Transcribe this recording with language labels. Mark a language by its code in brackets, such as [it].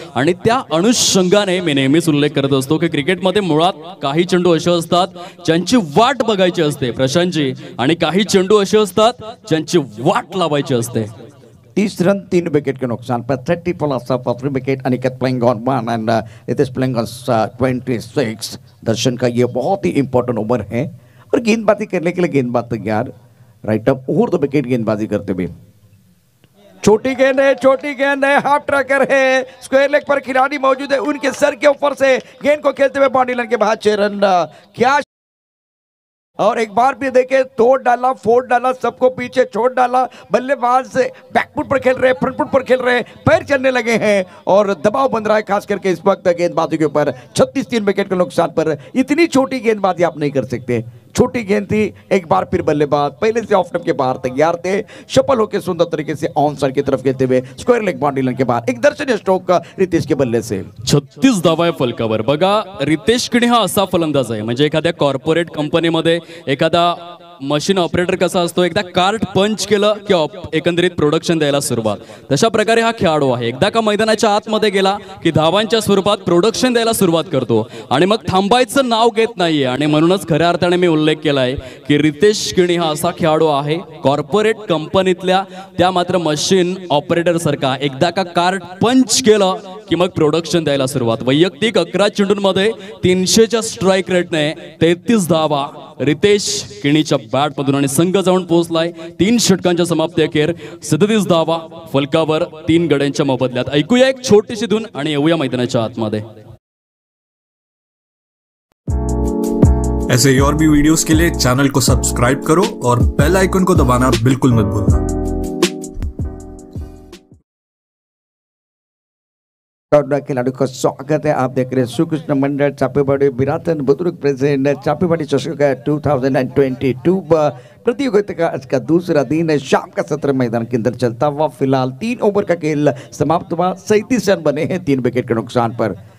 [mr] आणि त्या अनुषंगाने मी नेहमीच उल्लेख करत असतो की क्रिकेटमध्ये मुळात काही चेंडू असे असतात ज्यांची वाट बघायची असते प्रशांतजी, आणि काही चेंडू असे असतात ज्यांची वाट लावायची असते। [hi] 30 runs, 3 विकेट के नुकसान पर 30 plus 3 wicket, Aniket playing on 1 and Nitesh playing on 26। दर्शन का ये बहुत ही इंपॉर्टेंट ओवर है, और गेंदबाजी करने के लिए गेंदबाज तैयार, right up over the wicket गेंदबाजी करते हुए। छोटी गेंद है, हाफ ट्रैकर है, स्क्वायर लेग पर खिलाड़ी मौजूद है, उनके सर के ऊपर से गेंद को खेलते हुए बाउंड्री लाइन के बाहर 6 रन। क्या और एक बार भी देखे, तोड़ डाला, फोड़ डाला, सबको पीछे छोड़ डाला, बल्लेबाज बैकफुट पर खेल रहे, फ्रंट फुट पर खेल रहे, पैर चलने लगे हैं और दबाव बन रहा है खास करके इस वक्त गेंदबाजी के ऊपर। 36-3 विकेट के नुकसान पर इतनी छोटी गेंदबाजी आप नहीं कर सकते, छोटी गेंद थी। एक बार फिर बल्लेबाज पहले से ऑफ स्टंप के बाहर तैयार थे, शफल होकर सुंदर तरीके से ऑन साइड की तरफ गेंदते हुए स्क्वायर लेग बाउंड्री लाइन के बाहर, एक दर्शनीय स्ट्रोक का रितेश के बल्ले से। [mr] 36 धावा है फलकावर, बघा रितेश किणी हा असा फलंदाज आहे, म्हणजे एखाद्या कॉर्पोरेट कंपनी मध्ये एखादा मशीन ऑपरेटर कसा असतो, एकदा कार्ट पंच केलं की एकंदरीत प्रोडक्शन द्यायला सुरुवात, तशा प्रकारे हा खेळाडू आहे, एकदा का मैदानाच्या आतमध्ये गेला की धावांच्या स्वरूपात प्रोडक्शन द्यायला सुरुवात करतो आणि मग थांबायचं नाव घेत नाहीये। आणि म्हणूनच खऱ्या अर्थाने मी उल्लेख केलाय की रितेश किणी हा असा खेळाडू आहे कॉर्पोरेट कंपनीतल्या त्या मात्र मशीन ऑपरेटर सारखा, एकदा का कार्ट पंच केलं की मग प्रोडक्शन द्यायला सुरुवात। वैयक्तिक 11 चेंडूंमध्ये 300 स्ट्राईक रेटने 33 धावा रितेश किणीच्या बॅट मधून, आणि संघ जाऊन पोहोचलाय 3 षटकांच्या समाप्ती अखेर 37 धावा फलकावर 3 गड्यांच्या मोबदल्यात। ऐकूया एक छोटीशी धून आणि येऊया मैदानाच्या आतमध्ये। [hi] ऐसे और भी वीडियोस के लिए चैनल को सब्सक्राइब करो और बेल आइकन को दबाना बिल्कुल मत भूलना। खिलाड़ी का स्वागत है, आप देख रहे हैं श्रीकृष्ण मंडल चापेबाड़ी विराटन बुद्रुक प्रेजेंट चापेबाड़ी चषक 2022 प्रतियोगिता का आज का दूसरा दिन है, शाम का 17 मैदान के अंदर चलता हुआ, फिलहाल 3 ओवर का खेल समाप्त हुआ, 37 रन बने हैं 3 विकेट के नुकसान पर।